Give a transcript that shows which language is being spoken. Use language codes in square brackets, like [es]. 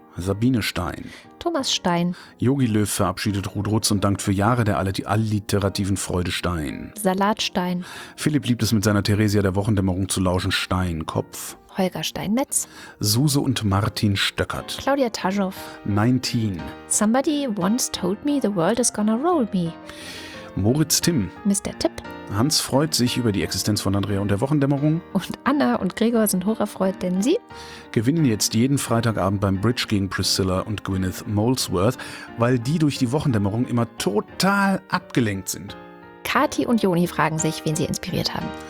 [de] Sabine Stein. Thomas Stein. Jogi Löw verabschiedet Ruth Rutz und dankt für Jahre der alliterativen Freude Stein. Salatstein. Philipp liebt es, mit seiner Theresia der Wochendämmerung zu lauschen. Steinkopf. Holger Steinmetz. Suse und Martin Stöckert. Claudia Taschow. 19. [en] Somebody once told me the world is gonna roll me. [de] Moritz Timm. Mr. Tipp. Hans freut sich über die Existenz von Andrea und der Wochendämmerung. Und Anna und Gregor sind hocherfreut, denn sie gewinnen jetzt jeden Freitagabend beim Bridge gegen Priscilla und Gwyneth Molesworth, weil die durch die Wochendämmerung immer total abgelenkt sind. Kathi und Joni fragen sich, wen sie inspiriert haben.